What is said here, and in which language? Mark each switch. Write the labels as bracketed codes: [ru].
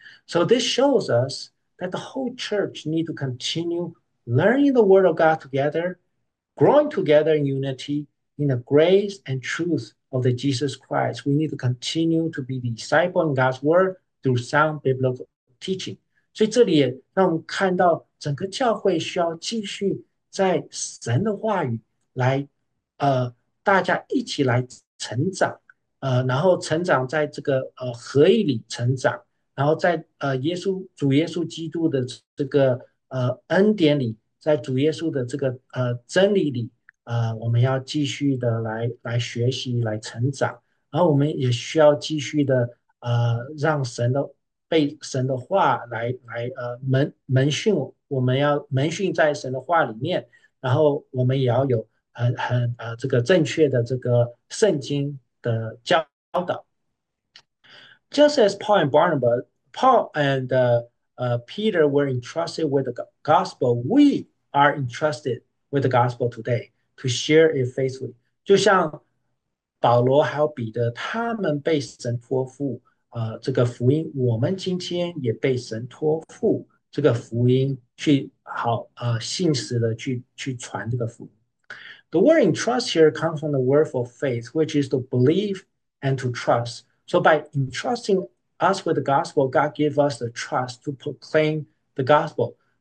[en] So this shows us that the whole church need to continue learning the word of God together, growing together in unity in the grace and truth of the Jesus Christ. We need to continue to be disciple in God's word through sound biblical teaching. [zh] 所以这里也让我们看到，整个教会需要继续在神的话语来，大家一起来。成长，然后成长在这个合一里成长，然后在主耶稣基督的这个恩典里，在主耶稣的这个真理里，我们要继续的来学习来成长，然后我们也需要继续的让神的被神的话来门训，我们要门训在神的话里面，然后我们也要有。很这个正确的这个圣经的教导， [en] just as Paul and Peter were entrusted with the gospel, we are entrusted with the gospel today to share it faithfully。 [zh] 就像保罗还有彼得，他们被神托付这个福音，我们今天也被神托付这个福音去好信实的去传这个福音。 [en] The word entrust here comes from the word for faith, which is to believe and to trust. So, by entrusting us with the gospel, God gives us the trust to proclaim the gospel.